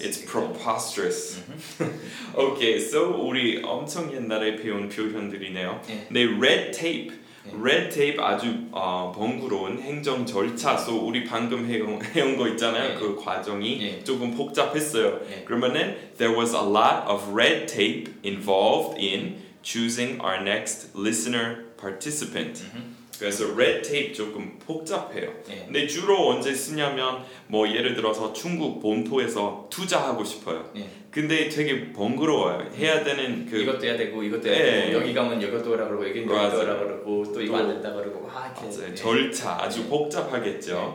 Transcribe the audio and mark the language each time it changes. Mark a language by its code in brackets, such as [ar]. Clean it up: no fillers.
[en] It's preposterous. [ko] Okay, so 우리 엄청 옛날에 배운 표현들이네요. 네, red tape. Red tape 아주 번거로운 행정 절차. So 우리 방금 해온 거 있잖아요. 그 과정이 조금 복잡했어요. 그러면은 [en] there was a lot of red tape involved in choosing our next listener participant. [ko] 그래서 red tape 조금 복잡해요. 근데 주로 언제 쓰냐면 뭐 예를 들어서 중국 본토에서 투자하고 싶어요. 근데 되게 번거로워요. 해야 되는 그 이것도 해야 되고 이것도 해야 되고 여기 가면 이것도 하라고 그러고 여기는 이것도 하라고 그러고 또 이거 안 된다고 그러고 와 이렇게 절차 아주 복잡하겠죠.